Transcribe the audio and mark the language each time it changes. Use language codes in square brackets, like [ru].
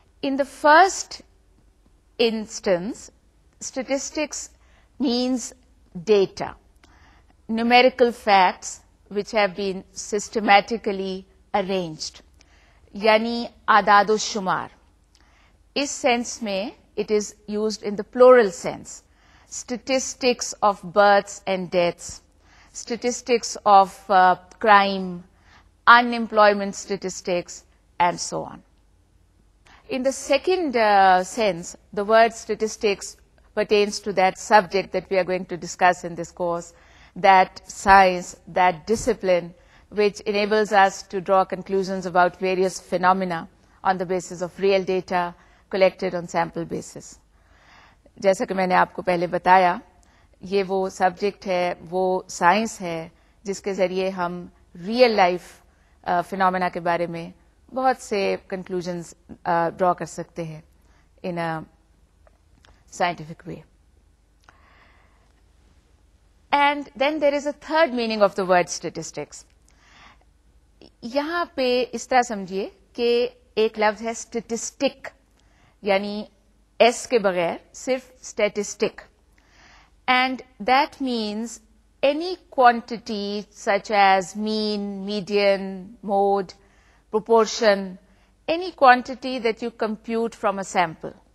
[en] In the first instance, statistics means data, numerical facts which have been systematically arranged, [ur] yani adad o shumar. اس sense میں [en] It is used in the plural sense. Statistics of births and deaths, statistics of crime, in employment statistics and so on. In the second sense the word statistics pertains to that subject that we are going to discuss in this course, that science, that discipline which enables us to draw conclusions about various phenomena on the basis of real data collected on sample basis. [ur] جیسا کہ میں نے آپ کو پہلے بتایا, یہ وہ سبجیکٹ ہے, وہ سائنس ہے جس کے ذریعے ہم ریئل لائف فینومینا کے بارے میں بہت سے کنکلوژنز ڈرا کر سکتے ہیں [en] In scientific way. And then there is a third meaning of the word statistics. [ur] یہاں پہ اس طرح سمجھیے کہ ایک لفظ ہے اسٹیٹسٹک, یعنی ایس کے بغیر صرف statistic, [en] And that means any quantity such as mean, median, mode, proportion, any quantity that you compute from a sample.